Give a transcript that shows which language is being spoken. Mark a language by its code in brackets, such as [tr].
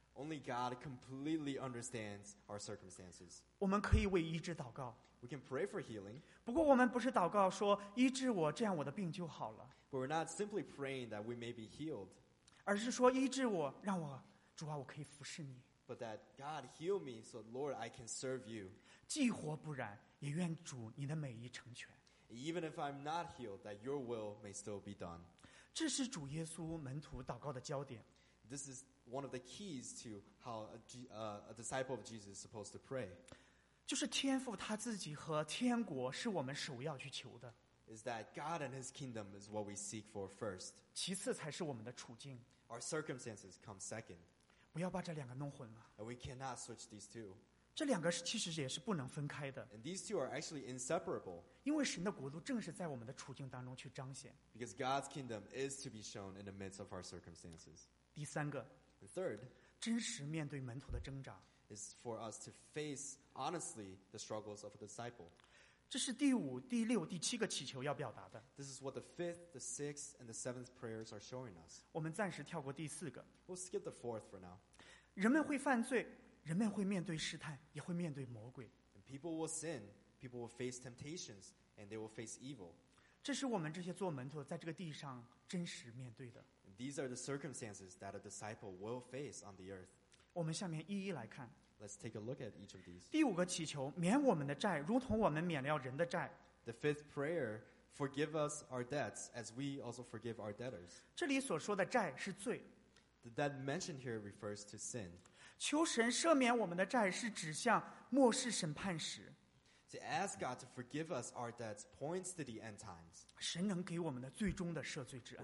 [en] Only God completely understands our circumstances. [zh] 我们可以为医治祷告。 [en] We can pray for healing. [zh] 不过我们不是祷告说医治我，这样我的病就好了。 [en] But we're not simply praying that we may be healed. [zh] 而是说医治我，让我主啊，我可以服侍你。 [en] but that God heal me so Lord I can serve you. [zh] 既或不然, 也愿主你的美意成全。 [en] Even if I'm not healed, that your will may still be done. [zh] 这是主耶稣门徒祷告的焦点。 [en] This is one of the keys to how a disciple of Jesus is supposed to pray. [zh] 就是天父他自己和天国是我们首要去求的。 [en] Is that God and His kingdom is what we seek for first. [zh] 其次才是我们的处境。 [en] Our circumstances come second. [zh] 不要把这两个弄混了。 [en] And we cannot switch these two. [zh] 这两个其实也是不能分开的。 [en] And these two are actually inseparable. [zh] 因为神的国度正是在我们的处境当中去彰显。 [en] Because God's kingdom is to be shown in the midst of our circumstances. [zh] 第三个。 [en] And third, [zh] 真实面对门徒的挣扎。 [en] Is for us to face honestly the struggles of a disciple. [zh] 这是第五、第六、第七个祈求要表达的。 [en] This is what the fifth, the sixth, and the seventh prayers are showing us. [zh] 我们暂时跳过第四个。 [en] We'll skip the fourth for now. [zh] 人们会犯罪。人们会面对试探, 也会面对魔鬼。 [en] And people will sin, people will face temptations, and they will face evil. [zh] 这是我们这些做门徒在这个地上真实面对的。 [en] And these are the circumstances that a disciple will face on the earth. [zh] 我们下面一一来看。 [en] Let's take a look at each of these. [zh] 第五个祈求, 免我们的债, 如同我们免了人的债。 [en] The fifth prayer, forgive us our debts, as we also forgive our debtors. [zh] 这里所说的债是罪。 [en] The debt mentioned here refers to sin. [zh] 求神赦免我们的债是指向末世审判时。 [en] To ask God to forgive us our debts points to the end times. [zh] 神能给我们的最终的赦罪之恩。